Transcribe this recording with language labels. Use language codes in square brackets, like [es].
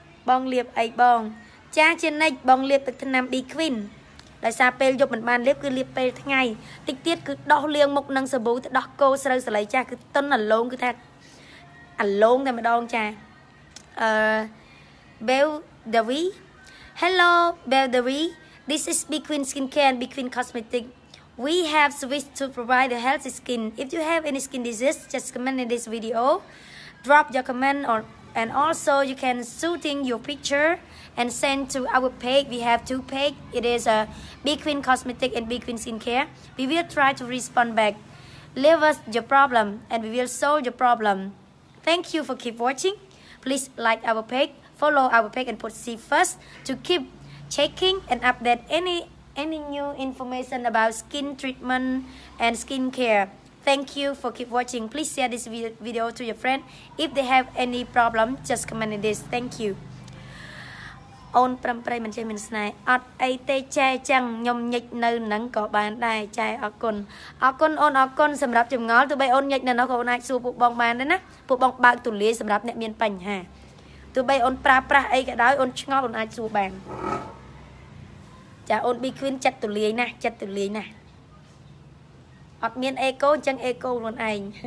[km] បងលៀបអីបងចាជានិចបងលៀបទឹកថ្នាំ B Queen ដោយសារពេលយប់មិនបានលៀបគឺលៀបពេលថ្ងៃតិចទៀតគឺដោះលាងមុខនឹងសាប៊ូទៅដោះកោស្រូវសិលីចាស់គឺតុនអាឡូងគឺថាអាឡូងតែម្ដងចាអឺ [en] Belle Davi Hello Belle Davi This is Big Queen Skincare and Big Queen Cosmetic. We have service to provide a healthy skin. If you have any skin disease, just comment in this video. Drop your comment or, and also you can shooting your picture and send to our page. We have two pages. It is Big Queen Cosmetic and Big Queen Skincare. We will try to respond back. Leave us your problem and we will solve your problem. Thank you for keep watching. Please like our page, follow our page and put C first to keep checking and update any new information about skin treatment and skin care. Thank you for keep watching. Please share this video to your friend. If they have any problem, just comment in this. Thank you. [km] អូនប្រំប្រៃមិនចេះមានស្នេហ៍អត់អីទេចែចឹងខ្ញុំញិចនៅនឹងក៏បានដែរចែអរគុណអរគុណអូនអរគុណសម្រាប់ចងល់ទៅបីអូនញិចនៅនោះក៏អូនអាចសួរពួកបងបានដែរណាពួកបងបើកទូលាយសម្រាប់អ្នកមានបញ្ហាទៅបីអូនប្រាប្រាស់អីក៏ដោយអូនឆ្ងល់អូនអាចសួរបានចាអូនប៊ីឃ្វីនចិត្តទូលាយណាស់ចិត្តទូលាយណាស់អត់មានអេកូអញ្ចឹងអេកូខ្លួនឯង